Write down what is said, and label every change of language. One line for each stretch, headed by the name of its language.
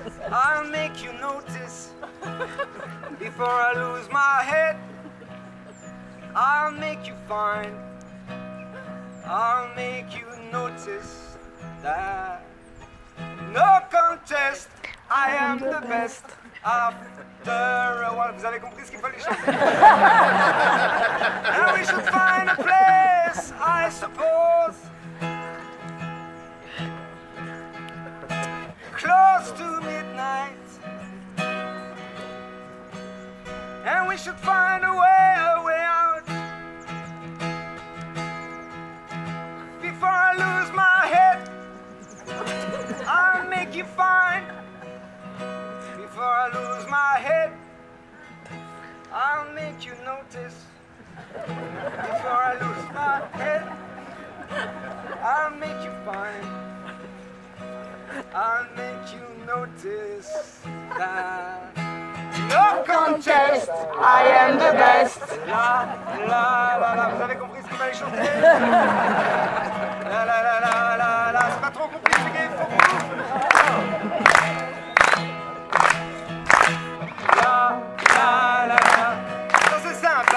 English: I'll make you notice, before I lose my head. I'll make you find, I'll make you notice that no contest, I am the best. After a while,
French: vous avez compris ce qu'il fallait chanter.
English: And we should find a place, I suppose. Close to midnight. And we should find a way, out. Before I lose my head, I'll make you fine. Before I lose my head, I'll make you notice. Before I lose my head, I'll make you fine. I'll make you notice that no contest, I am the best.
French: La la la la, vous avez compris ce qu'il fallait chanter. La la la la la la, c'est pas trop compliqué, il faut vous. La la la la, ça c'est simple.